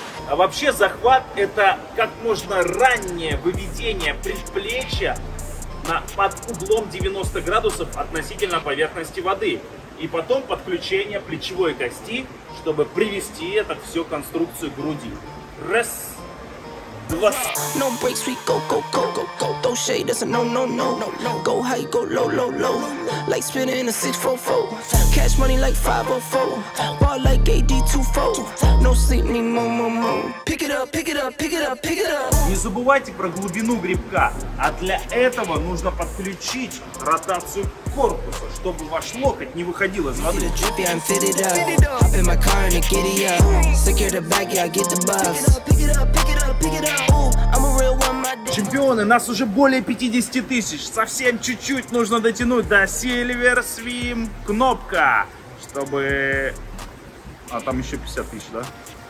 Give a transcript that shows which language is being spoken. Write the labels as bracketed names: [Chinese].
[Russian] А вообще захват – это как можно раннее выведение предплечья под углом 90 градусов относительно поверхности воды. И потом подключение плечевой кости, чтобы привести это всю конструкцию груди. Раз, два. [English] No breaks, we go, go, go, go, go. Don't shade us, no, no, no, no. Go high, go low, low, low. Like spinning a 6-4-4. Cash money like 504. Ball like AD24. No sleep, need more, more, more. Pick it up, pick it up, pick it up, pick it up. [Russian] Не забывайте про глубину гребка. А для этого нужно подключить ротацию корпуса, чтобы ваш локоть не выходил из воды. [English] Pick it up, I'm fitted up. Hop in my car and get it up. Secure the bag, yeah, I get the bus. Pick it up, pick it up, pick it up, pick it up. [Russian] Чемпионы, нас уже более 50 тысяч. Совсем чуть-чуть нужно дотянуть до Silver Swim кнопка, чтобы... А там еще 50 тысяч, да?